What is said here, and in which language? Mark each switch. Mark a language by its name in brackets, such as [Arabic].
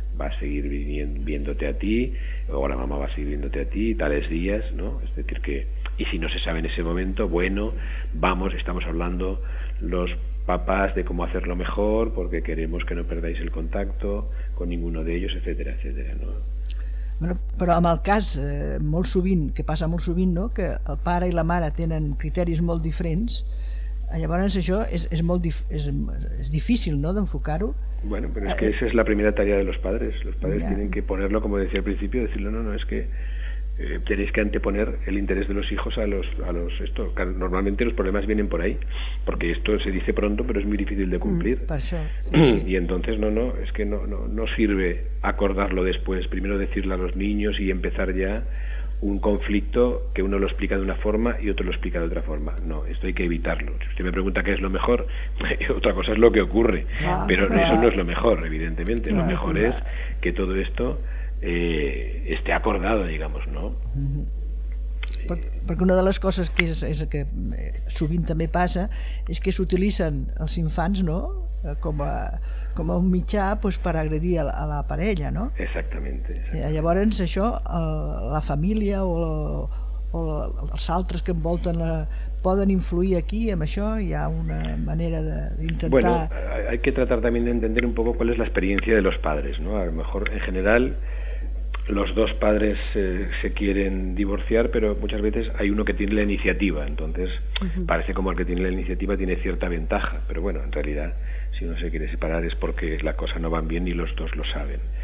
[Spanish] va a seguir viéndote a ti, o la mamá va a seguir viéndote a ti tales días, ¿no? Es decir, que, y si no se sabe en ese momento, bueno, vamos, estamos hablando los papás de cómo hacerlo mejor, porque queremos que no perdáis el contacto con ninguno de ellos, etcétera, etcétera, ¿no? [Catalan] Bueno, però en el cas, molt sovint, que passa molt sovint, no?, que el pare i la mare tenen criteris molt diferents, llavors això és difícil, no?, d'enfocar-ho. [Spanish] Bueno, pero es que esa es la primera tarea de los padres. Los padres tienen que ponerlo, como decía al principio, decirlo, no, es que tenéis que anteponer el interés de los hijos a los esto. Normalmente los problemas vienen por ahí, porque esto se dice pronto, pero es muy difícil de cumplir. [Catalan] Per això, sí. [Spanish] Y entonces no sirve acordarlo después. Primero decirle a los niños y empezar ya un conflicto que uno lo explica de una forma y otro lo explica de otra forma. No, esto hay que evitarlo. Si usted me pregunta qué es lo mejor, otra cosa es lo que ocurre. Ah, pero claro. Eso no es lo mejor, evidentemente. Claro, lo mejor es que todo esto esté acordado, digamos, ¿no? [Catalan] Perquè una de les coses que és que sovint també passa és que s'utilitzen els infants, no?, com a un mitjà, pues, per agredir a la parella, no? [Spanish] Exactamente. [Catalan] Llavors això, la família o els altres que envolten poden influir aquí, amb això hi ha una manera d'intentar... [Spanish] Bueno, hay que tratar también de entender un poco cuál es la experiencia de los padres, ¿no? A lo mejor, en general, los dos padres se quieren divorciar, pero muchas veces hay uno que tiene la iniciativa, entonces parece como el que tiene la iniciativa tiene cierta ventaja, pero bueno, en realidad, si uno se quiere separar es porque la cosa no va bien y los dos lo saben.